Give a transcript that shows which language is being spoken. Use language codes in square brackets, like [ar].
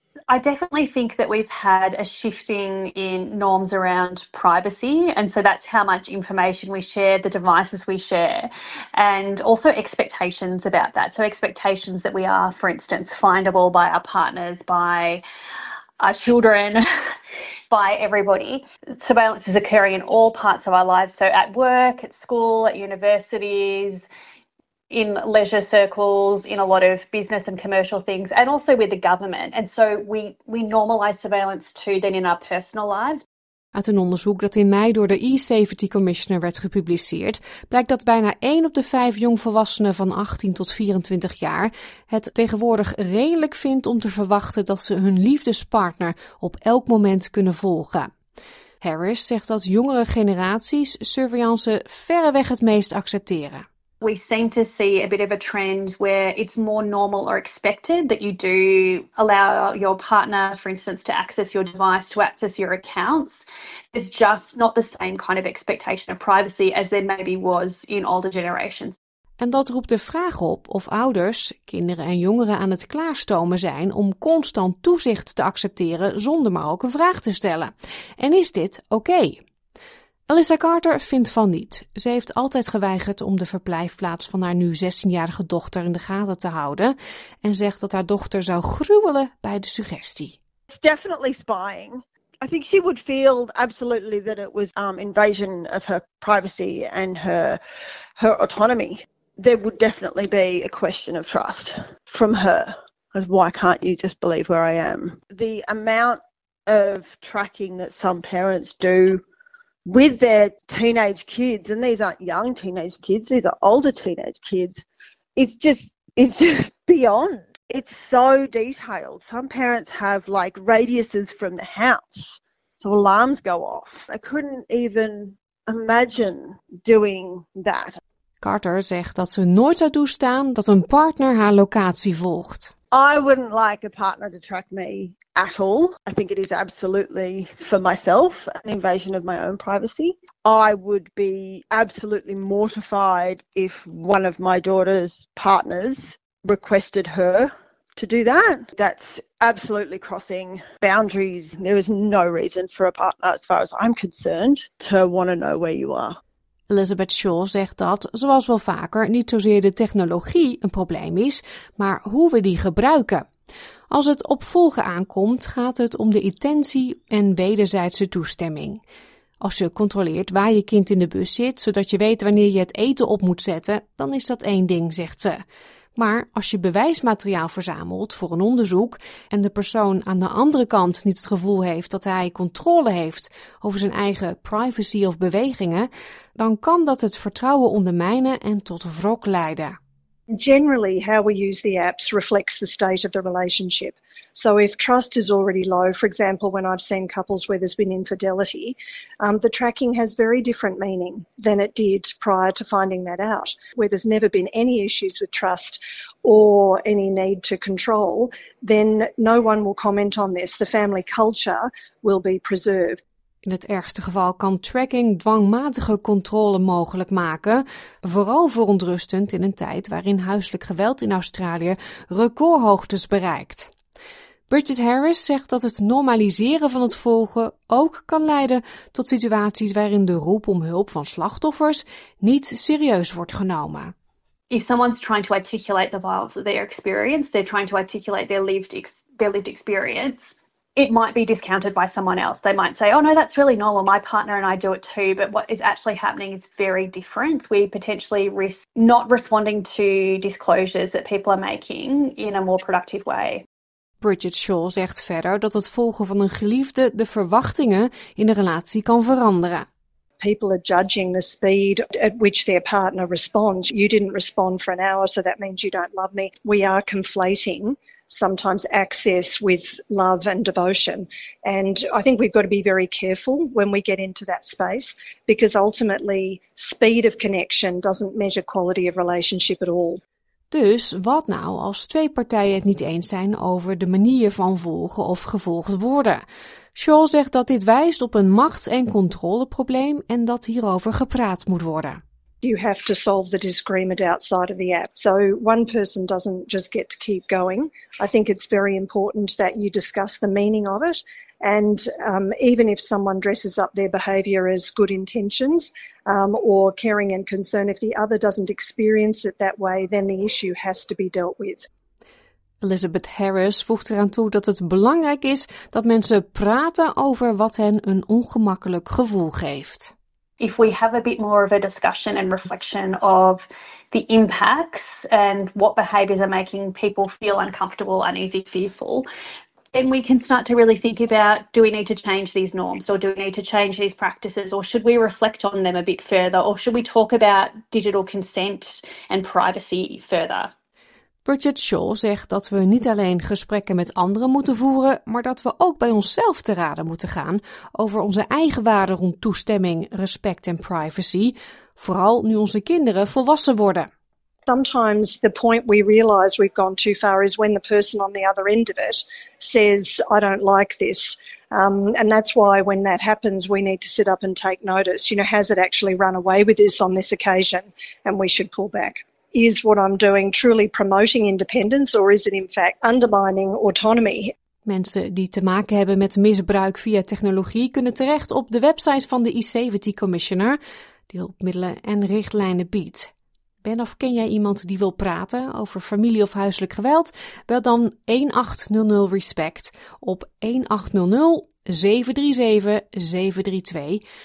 [en] I definitely think that we've had a shifting in norms around privacy, and so that's how much information we share, the devices we share, and also expectations about that. So expectations that we are, for instance, findable by our partners, by our children, by everybody. Surveillance is occurring in all parts of our lives. So at work, at school, at universities, in leisure circles, in a lot of business and commercial things, and also with the government. And so we normalize surveillance too then in our personal lives. [nl] Uit een onderzoek dat in mei door de E-Safety Commissioner werd gepubliceerd, blijkt dat bijna 1 op de 5 jongvolwassenen van 18 tot 24 jaar het tegenwoordig redelijk vindt om te verwachten dat ze hun liefdespartner op elk moment kunnen volgen. Harris zegt dat jongere generaties surveillance verreweg het meest accepteren. [en] We seem to see a bit of a trend where it's more normal or expected that you do allow your partner, for instance, to access your device, to access your accounts. It's just not the same kind of expectation of privacy as there maybe was in older generations. [nl] En dat roept de vraag op of ouders, kinderen en jongeren aan het klaarstomen zijn om constant toezicht te accepteren zonder maar ook een vraag te stellen. En is dit oké? Alyssa Carter vindt van niet. Ze heeft altijd geweigerd om de verblijfplaats van haar nu 16-jarige dochter in de gaten te houden en zegt dat haar dochter zou gruwelen bij de suggestie. [en] It's definitely spying. I think she would feel absolutely that it was invasion of her privacy and her autonomy. There would definitely be a question of trust from her. Why can't you just believe where I am? The amount of tracking that some parents do with their teenage kids, and these aren't young teenage kids, these are older teenage kids, it's just beyond. It's so detailed. Some parents have like radiuses from the house, so alarms go off. I couldn't even imagine doing that. [nl] Carter zegt dat ze nooit zou toestaan dat een partner haar locatie volgt. [en] I wouldn't like a partner to track me at all. I think it is absolutely for myself an invasion of my own privacy. I would be absolutely mortified if one of my daughter's partners requested her to do that. That's absolutely crossing boundaries. There is no reason for a partner, as far as I'm concerned, to want to know where you are. [nl] Elizabeth Shaw zegt dat, zoals wel vaker, niet zozeer de technologie een probleem is, maar hoe we die gebruiken. Als het op volgen aankomt, gaat het om de intentie en wederzijdse toestemming. Als je controleert waar je kind in de bus zit, zodat je weet wanneer je het eten op moet zetten, dan is dat één ding, zegt ze. Maar als je bewijsmateriaal verzamelt voor een onderzoek en de persoon aan de andere kant niet het gevoel heeft dat hij controle heeft over zijn eigen privacy of bewegingen, dan kan dat het vertrouwen ondermijnen en tot wrok leiden. [en] Generally, how we use the apps reflects the state of the relationship. So if trust is already low, for example, when I've seen couples where there's been infidelity, the tracking has very different meaning than it did prior to finding that out. Where there's never been any issues with trust or any need to control, then no one will comment on this. The family culture will be preserved. [nl] In het ergste geval kan tracking dwangmatige controle mogelijk maken, vooral verontrustend in een tijd waarin huiselijk geweld in Australië recordhoogtes bereikt. Bridget Harris zegt dat het normaliseren van het volgen ook kan leiden tot situaties waarin de roep om hulp van slachtoffers niet serieus wordt genomen. [en] If someone's trying to articulate the violence that they experience, they're trying to articulate their lived experience. It might be discounted by someone else. They might say, oh no, that's really normal. My partner and I do it too. But what is actually happening is very different. We potentially risk not responding to disclosures that people are making in a more productive way. [nl] Bridget Shaw zegt verder dat het volgen van een geliefde de verwachtingen in de relatie kan veranderen. [en] People are judging the speed at which their partner responds. You didn't respond for an hour, so that means you don't love me. We are conflating sometimes access with love and devotion. And I think we've got to be very careful when we get into that space, because ultimately speed of connection doesn't measure quality of relationship at all. [nl] Dus wat nou als twee partijen het niet eens zijn over de manier van volgen of gevolgd worden? Shaw zegt dat dit wijst op een machts- en controleprobleem en dat hierover gepraat moet worden. [en] You have to solve the disagreement outside of the app. So one person doesn't just get to keep going. I think it's very important that you discuss the meaning of it. And even if someone dresses up their behavior as good intentions or caring and concern, if the other doesn't experience it that way, then the issue has to be dealt with. [nl] Elizabeth Harris voegt eraan toe dat het belangrijk is dat mensen praten over wat hen een ongemakkelijk gevoel geeft. [en] If we have a bit more of a discussion and reflection of the impacts and what behaviours are making people feel uncomfortable, uneasy, fearful, then we can start to really think about, do we need to change these norms or do we need to change these practices or should we reflect on them a bit further or should we talk about digital consent and privacy further? [nl] Bridget Shaw zegt dat we niet alleen gesprekken met anderen moeten voeren, maar dat we ook bij onszelf te raden moeten gaan over onze eigen waarden rond toestemming, respect en privacy, vooral nu onze kinderen volwassen worden. [en] Sometimes the point we realize we've gone too far is when the person on the other end of it says, I don't like this. And that's why when that happens, we need to sit up and take notice. You know, has it actually run away with this on this occasion? And we should pull back. Is what I'm doing truly promoting independence or is it in fact undermining autonomy? [nl] Mensen die te maken hebben met misbruik via technologie kunnen terecht op de website van de E-Safety Commissioner, die hulpmiddelen en richtlijnen biedt. Ben of ken jij iemand die wil praten over familie of huiselijk geweld? Bel dan 1800 RESPECT op 1800 737 732.